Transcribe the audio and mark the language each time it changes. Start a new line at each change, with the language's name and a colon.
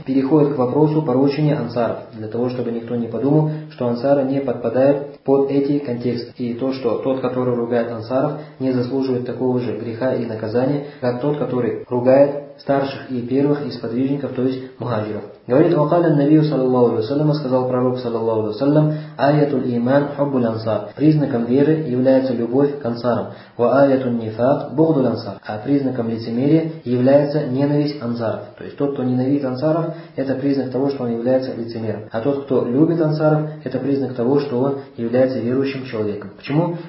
Russian: Переходит к вопросу порочения ансаров, для того, чтобы никто не подумал, что ансары не подпадают под эти контексты. И то, что тот, который ругает ансаров, не заслуживает такого же греха и наказания, как тот, который ругает старших и первых из подвижников, то есть мухаджиров. Говорит,
Arabic: وقال النبي صلى الله عليه وسلم,
Russian: сказал пророк
Arabic: صلى الله عليه وسلم, аяту иман хуббу лансар.
Russian: Признаком веры является любовь к ансарам.
Arabic: Ва аяту нифак бугду лансар.
Russian: А признаком лицемерия является ненависть ансаров. То есть тот, кто ненавидит ансаров, это признак того, что он является лицемером. А тот, кто любит ансаров, это признак того, что он является верующим человеком. Почему?